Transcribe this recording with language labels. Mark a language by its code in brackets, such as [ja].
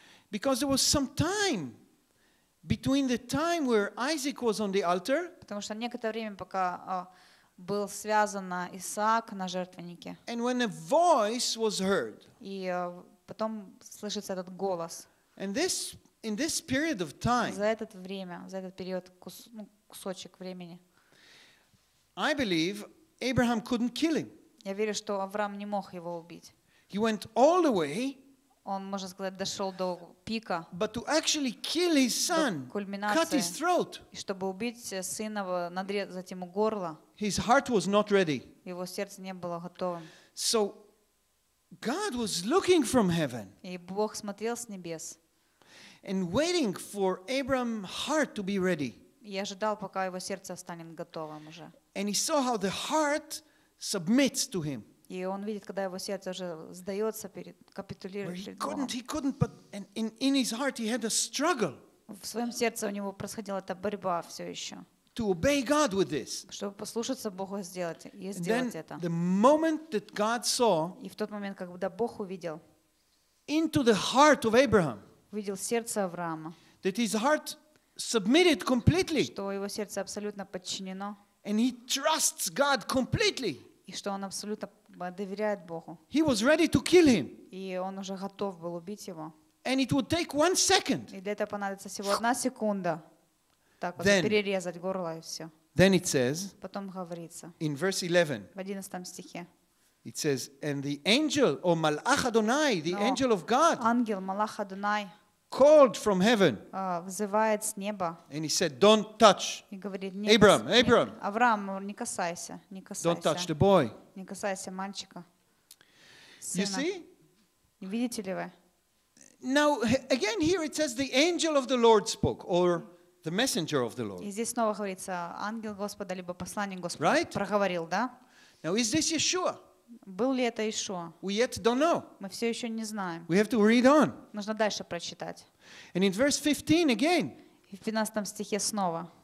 [en] Because there was some time between the time where Isaac was on the altar. [ru] Потому что некоторое время, пока был связан Исаак на жертвеннике. [en] And when a voice was heard. [ru] И потом слышится этот голос. [en] And this. In this period of time, [ru] за этот время, за этот период, кусочек времени, [en] I believe Abraham couldn't kill him. [ru] Я верю, что Авраам не мог его убить. [en] He went all the way. [ru] Он, можно сказать, дошел до пика. [en] But to actually kill his son, cut his throat. [ru] И чтобы убить сына, надрезать ему горло. [en] His heart was not ready. [ru] Его сердце не было готовым. [en] So God was looking from heaven. [ru] И Бог смотрел с небес. [en] And waiting for Abraham's heart to be ready. [ru] Я ожидал, пока его сердце станет готовым уже. [en] And he saw how the heart submits to him. [ru] И он видит, когда его сердце уже сдается перед, капитулирует перед Богом. [en] He couldn't, but in his heart he had a struggle. [ru] В своем сердце у него происходила эта борьба все еще. [en] To obey God with this. [ru] Чтобы послушаться Богу и сделать это. [en] And then the moment that God saw. [ru] И в тот момент, когда Бог увидел. [en] Into the heart of Abraham. [ru] Увидел сердце Авраама. [en] That his heart submitted completely. [ru] Что его сердце абсолютно подчинено. [en] And he trusts God completely. [ru] И что он абсолютно доверяет Богу. [en] He was ready to kill him. [ru] И он уже готов был убить его. [en] And it would take one second. [ru] И для этого понадобится всего одна секунда. Так вот, then, перерезать горло и все. [en] Then it says, [ru] потом говорится. [en] In verse 11. [ru] В 11 стихе. [en] It says, and the angel, or Malach Adonai, the angel of God, [ru] ангел, Малах Адонай, [en] called from heaven. [ru] Взывает с неба. [en] And he said, don't touch. [ru] И говорит, [en] Abraham. [ru] Авраам, не касайся, не касайся. [en] Don't touch the boy. [ru] Не касайся мальчика. [en] You see? [ru] Видите ли вы? [en] Now, again here it says, the angel of the Lord spoke, or the messenger of the Lord. [ru] И здесь снова говорится, ангел Господа, либо посланник Господа проговорил, да? [en] Now, is this Yeshua? [ru] Был ли это Иешуа? [en] We yet don't know. [ru] Мы все еще не знаем. [en] We have to read on. [ru] Нужно дальше прочитать. [en] And in verse 15 again. [ru] В 15 стихе снова.